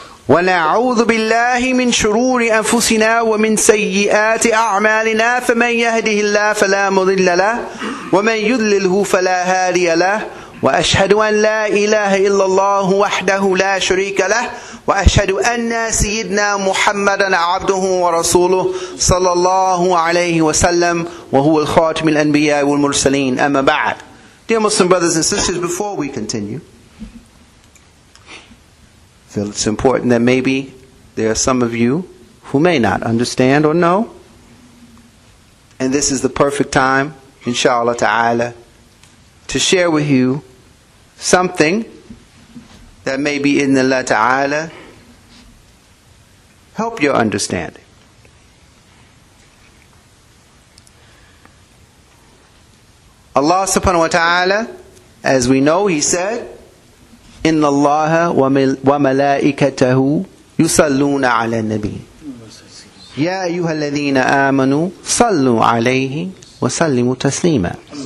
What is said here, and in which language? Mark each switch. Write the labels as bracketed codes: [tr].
[ar] ونعوذ بالله من شرور أنفسنا ومن سيئات أعمالنا فمن يهده الله فلا مضل له ومن يضلله فلا هادي له وأشهد أن لا إله إلا الله وحده لا شريك له وأشهد أن سيدنا محمدا عبده ورسوله صلى الله عليه وسلم وهو الخاتم الأنبياء والمرسلين أما بعد. [en] Dear Muslim brothers and sisters, before we continue, I feel it's important that maybe there are some of you who may not understand or know, and this is the perfect time, inshallah ta'ala, to share with you something that may be in the Allah ta'ala help your understanding. Allah subhanahu wa ta'ala, as we know, He said, [ar] إِنَّ اللَّهَ وَمَلَائِكَتَهُ يُصَلُّونَ عَلَى النَّبِيِّ يَا أَيُّهَا الَّذِينَ آمَنُوا صَلُّوا عَلَيْهِ وَسَلِّمُوا تَسْلِيمًا.